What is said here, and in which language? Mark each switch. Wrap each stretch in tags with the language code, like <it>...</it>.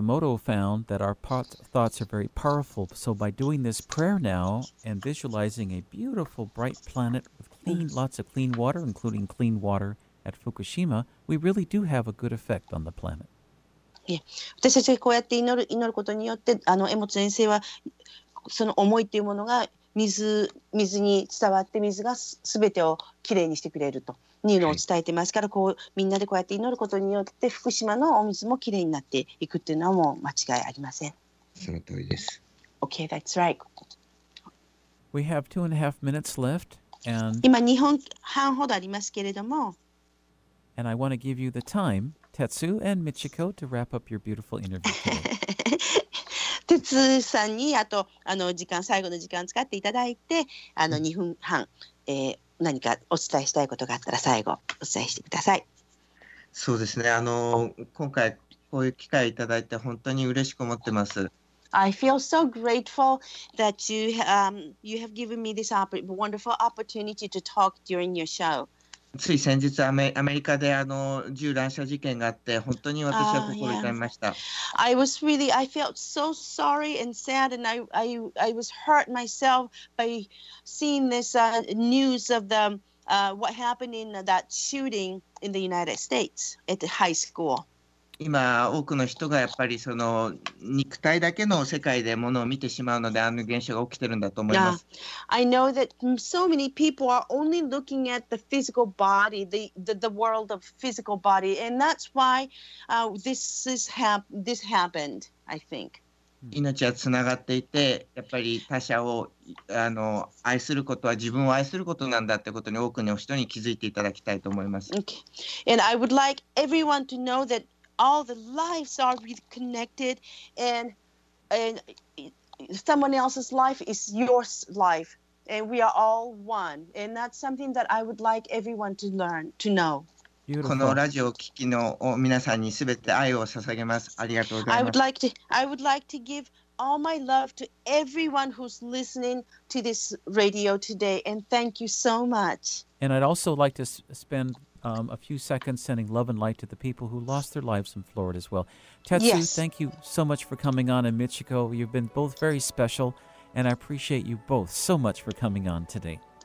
<en>Emoto found that our thoughts are very powerful. So by doing this prayer now and visualizing a beautiful, bright planet with clean, lots of clean water, including clean water at Fukushima, we really do have a good effect on the planet. Yeah.</en> <ja>私たちがこうやって祈ることによって、Emoto先生はその思いというものが水に伝わって水が全てをきれいにしてくれると。にのを伝えてますからこうみんなでこうやって祈ることによって福島のお水もきれいになっていくっていうのはもう間違いありません。その通りです。</ja> <en>Okay, that's right. We have 2.5 minutes left. And</en> <ja>今2分半ほどありますけれども。</ja> <en>And I want to give you the time, Tetsu and Michiko, to wrap up your beautiful interview today.</en> <ja>Tetsu さんにあと時間最後の時間使っていただいて2分半。何かお伝えしたいことがあったら最後お伝えしてください。そうですね今回こういう機会いただいて本当に嬉しく思ってます。</ja> <en>I feel so grateful that you have given me this wonderful opportunity to talk during your show。</en> <ja>つい先日アメリカで銃乱射事件があって本当に私は心痛みました、</ja> <en>yeah. I felt so sorry and sad and I was hurt myself byseeing this news of the what happened in that shooting in the United States at the high school.</en> <ja>今多くの人がやっぱりその肉体だけの世界でものを見てしまうのであの現象が起きてるんだと思います。</ja> <en>I know that so many people are only looking at the physical body, the world of physical body, and that's why this happened, I think.</en> <ja>命はつながっていて、やっぱり他者を愛することは自分を愛することなんだってことに多くの人に気づいていただきたいと思います。</ja> <en>Okay. And I would like everyone to know that all the lives are reconnected and someone else's life is your life and we are all one. And that's something that I would like everyone to learn to know. Beautiful.</en> <ja>このラジオを聞きの皆さんにすべて愛を捧げます。ありがとうございます。</ja> <en>I would like to give all my love to everyone who's listening to this radio today, and thank you so much. And I'd also like to spend a few seconds sending love and light to the people who lost their lives in Florida as well. Tetsu, yes. Thank you so much for coming on, and Michiko, you've been both very special, and I appreciate you both so much for coming on today.</en>